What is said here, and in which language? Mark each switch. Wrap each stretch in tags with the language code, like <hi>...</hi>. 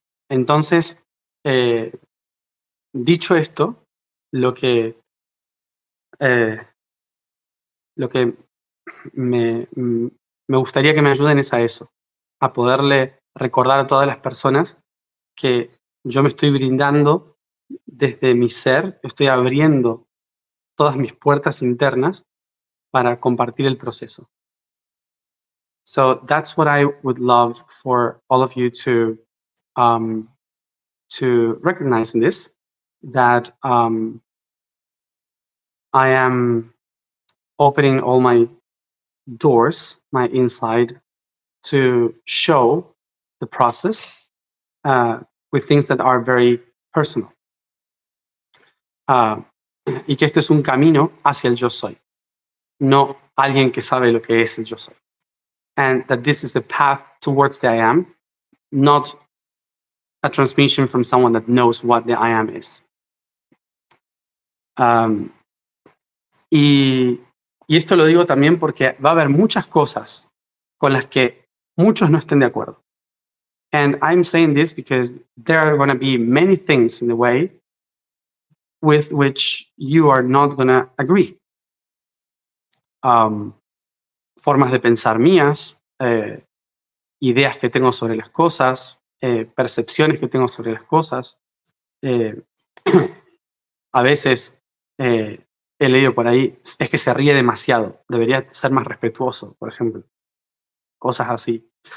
<es>Entonces, dicho esto, lo que me gustaría que me ayuden es a eso, a poderle recordar a todas las personas que yo me estoy brindando desde mi ser, estoy abriendo todas mis puertas internas para compartir el proceso.</es> <en>So that's what I would love for all of you to recognize in this, that I am opening all my doors, my inside, to show the process with things that are very personal.</en> <es>Y que este es un camino hacia el yo soy, no alguien que sabe lo que es el yo soy.</es> <en>And that this is the path towards the I am, not a transmission from someone that knows what the I am is.</en> <es>Y esto lo digo también porque va a haber muchas cosas con las que muchos no estén de acuerdo.</es> <en>And I'm saying this because there are going to be many things in the way with which you are not going to agree.</en> <es>Formas de pensar mías, ideas que tengo sobre las cosas, percepciones que tengo sobre las cosas. a veces, he leído por ahí, es que se ríe demasiado, debería ser más respetuoso, por ejemplo. Cosas así.</es>